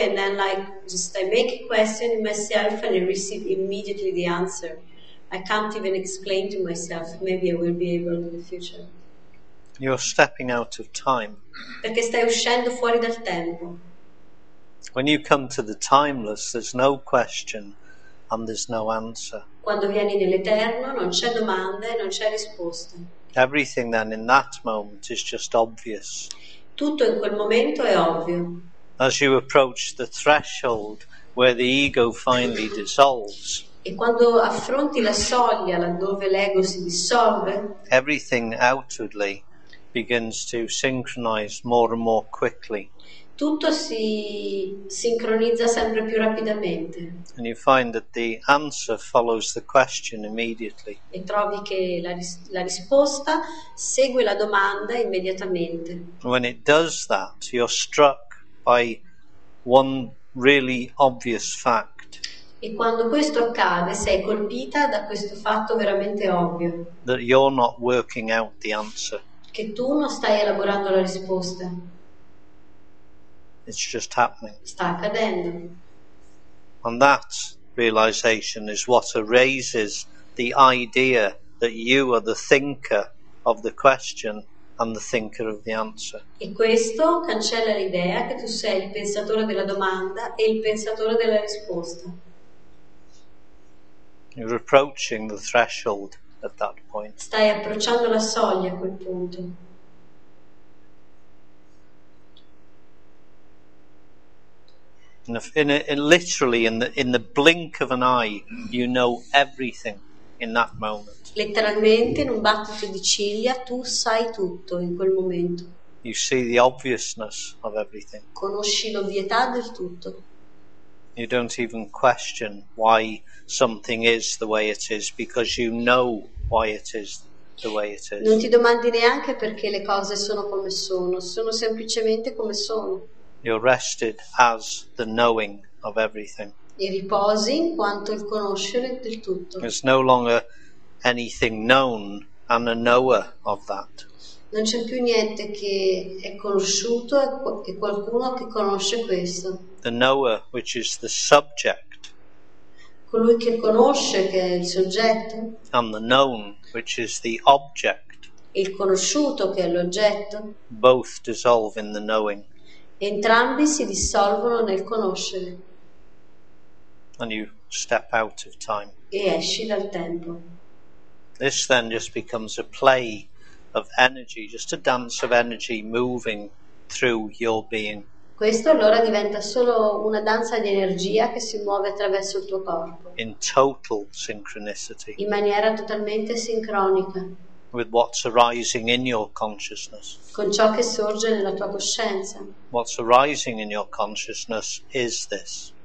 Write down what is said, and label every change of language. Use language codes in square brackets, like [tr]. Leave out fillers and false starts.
[en] And then, like, just I make a question in myself and I receive immediately the answer. I can't even explain to myself. Maybe I will be able in the future. You're stepping out of time. [it] Perché stai uscendo fuori dal tempo. [en] When you come to the timeless, there's no question and there's no answer. [it] Quando vieni nell'eterno, non c'è domanda e non c'è risposta. [en] Everything then in that moment is just obvious. [it] Tutto in quel momento è ovvio. [en] As you approach the threshold where the ego finally dissolves. [it] E quando affronti la soglia laddove l'ego si dissolve. [en] Everything outwardly begins to synchronize more and more quickly. [it] Tutto si sincronizza sempre più rapidamente. [en] And you find that the answer follows the question immediately. [it] E trovi che la risposta segue la domanda immediatamente. [en] When it does that, you're struck by one really obvious fact. [it] E quando questo accade, sei colpita da questo fatto veramente ovvio. [en] That you're not working out the answer. [it] Che tu non stai elaborando la risposta. [en] It's just happening. [it] Sta accadendo. [en] And that realization is what erases the idea that you are the thinker of the question and the thinker of the answer. [it] E questo cancella l'idea che tu sei il pensatore della domanda e il pensatore della risposta. [en] You're approaching the threshold at that point. [it] Stai approcciando la soglia a quel punto. [en] In the blink of an eye, you know everything in that moment. [it] Letteralmente, in un battito di ciglia, tu sai tutto in quel momento. [en] You see the obviousness of everything. [it] Conosci l'ovvietà del tutto. [en] You don't even question why something is the way it is because you know why it is the way it is. [it] Non ti domandi neanche perché le cose sono come sono. Sono semplicemente come sono. [en] You're rested as the knowing of everything. [it] E riposi in quanto il conoscere del tutto. [en] There's no longer anything known and a knower of that. [it] Non c'è più niente che è conosciuto e qualcuno che conosce questo. [en] The knower, which is the subject. [it] Colui che conosce, che è il soggetto. [en] And the known, which is the object. [it] Il conosciuto, che è l'oggetto. [en] Both dissolve in the knowing. [it] Entrambi si dissolvono nel conoscere. [en] And you step out of time. [it] E esci dal tempo. [en] This then just becomes a play of energy, just a dance of energy moving through your being. [it] Questo allora diventa solo una danza di energia che si muove attraverso il tuo corpo. [en] In total synchronicity. [it] In maniera totalmente sincronica. [en] With what's arising in your consciousness. [it] Con ciò che sorge nella tua coscienza. [en] What's arising in your consciousness is this.